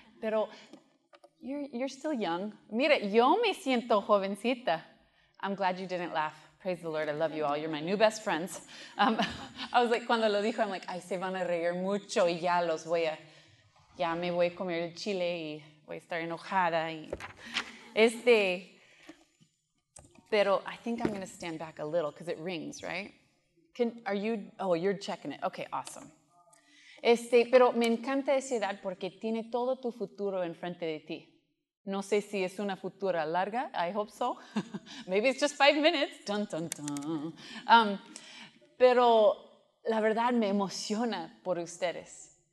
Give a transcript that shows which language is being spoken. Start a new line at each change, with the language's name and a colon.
English: Pero you're still young.
Spanish: Mire, yo me siento jovencita.
English: I'm glad you didn't laugh. Praise the Lord, I love you all. You're my new best friends. I was like,
Spanish: cuando lo dijo,
English: I'm like,
Spanish: ay, se van a reír mucho y ya los voy a... Ya me voy a comer el chile y voy a estar enojada. Y pero
English: I think I'm going to stand back a little because it rings, right? Oh, you're checking it. Okay, awesome.
Spanish: Pero me encanta esa edad porque tiene todo tu futuro enfrente de ti. No sé si es una futura larga.
English: I hope so. Maybe it's just 5 minutes.
Spanish: Dun, dun, dun. Pero la verdad me emociona por ustedes.